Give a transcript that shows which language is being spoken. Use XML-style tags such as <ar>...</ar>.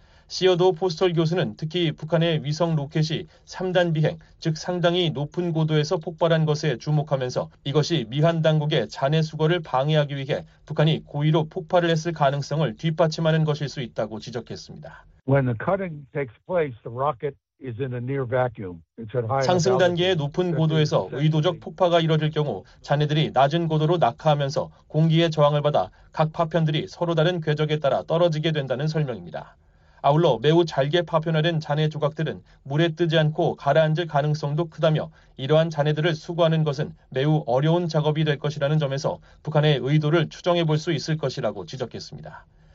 <ko>시어도 포스톨 교수는 특히 북한의 위성 로켓이 3단 비행, 즉 상당히 높은 고도에서 폭발한 것에 주목하면서 이것이 미한 당국의 잔해 수거를 방해하기 위해 북한이 고의로 폭발을 했을 가능성을 뒷받침하는 것일 수 있다고 지적했습니다.</ko> <en>When the cutting takes place, the rocket is in a near vacuum.</en> <ko>상승 단계의 높은 고도에서 의도적 폭파가 이뤄질 경우 잔해들이 낮은 고도로 낙하하면서 공기의 저항을 받아 각 파편들이 서로 다른 궤적에 따라 떨어지게 된다는 설명입니다. 아울러 매우 잘게 파편화된 잔해 조각들은 물에 뜨지 않고 가라앉을 가능성도 크다며 이러한 잔해들을 수거하는 것은 매우 어려운 작업이 될 것이라는 점에서 북한의 의도를 추정해 볼 수 있을 것이라고 지적했습니다.</ko>